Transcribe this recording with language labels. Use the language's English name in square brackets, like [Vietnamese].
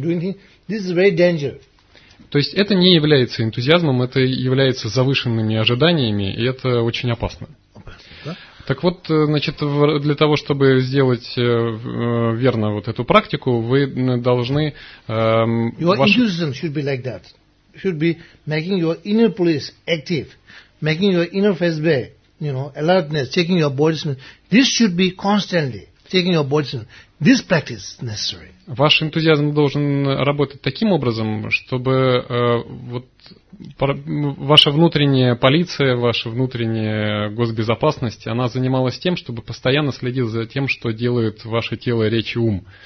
[English] Doing this is very dangerous. [Russian] То есть это не является энтузиазмом, это является завышенными ожиданиями, и это очень опасно. Так вот, значит, для того, чтобы сделать верно вот эту практику, вы должны... [English] Your enthusiasm should be like that. Should be making your inner police active, making your inner FSB, you know, alertness, checking your body's mind. This should be constantly checking your body's mind. This practice is necessary. [Russian] Ваш энтузиазм должен работать таким образом, чтобы ваша внутренняя полиция, ваша внутренняя госбезопасность, она занималась тем, чтобы постоянно следить за тем, что делают ваше тело, речь и ум.